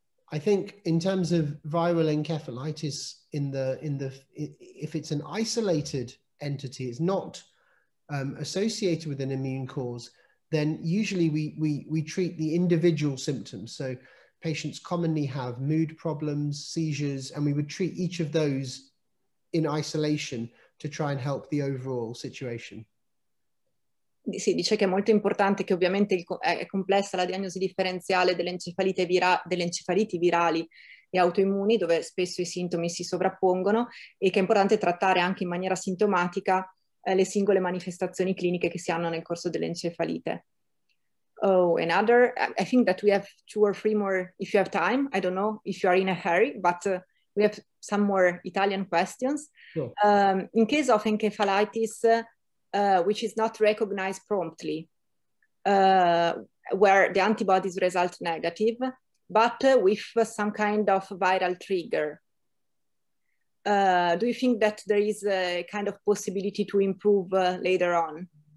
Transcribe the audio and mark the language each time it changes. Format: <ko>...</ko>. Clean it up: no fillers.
<en>I think in terms of viral encephalitis, if it's an isolated entity, it's not associated with an immune cause, then usually we treat the individual symptoms. So patients commonly have mood problems, seizures, and we would treat each of those in isolation to try and help the overall situation.</en> <it>Sì, dice che è molto importante, che ovviamente è complessa la diagnosi differenziale delle encefaliti virali e autoimmuni, dove spesso i sintomi si sovrappongono, e che è importante trattare anche in maniera sintomatica le singole manifestazioni cliniche che si hanno nel corso dell'encefalite.</it> <en>Oh, another, I think that we have 2 or 3 more, if you have time, I don't know if you are in a hurry, but we have some more Italian questions. Sure. In case of encephalitis, which is not recognized promptly, where the antibodies result negative, but with some kind of viral trigger, do you think that there is a kind of possibility to improve later on?</en>